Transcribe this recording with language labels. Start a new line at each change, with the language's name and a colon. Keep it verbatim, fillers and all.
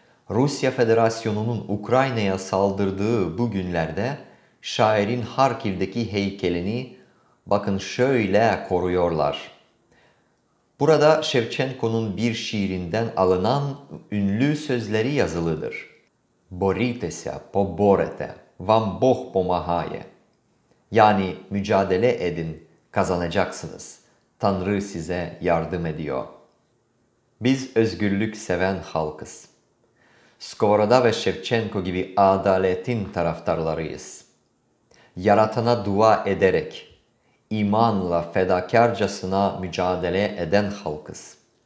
Turkish: Rusya Federasyonu'nun Ukrayna'ya saldırdığı bu günlerde şairin Harkiv'deki heykelini bakın şöyle koruyorlar. Burada Şevçenko'nun bir şiirinden alınan ünlü sözleri yazılıdır.
Ukrainian: Boriteся, поборете, вам Бог помагає.
Turkish: Yani mücadele edin, kazanacaksınız. Tanrı size yardım ediyor. Biz özgürlük seven halkız. Skovoroda ve Şevçenko gibi adaletin taraftarlarıyız. Yaratana dua ederek, imanla fedakarcasına mücadele eden halkız.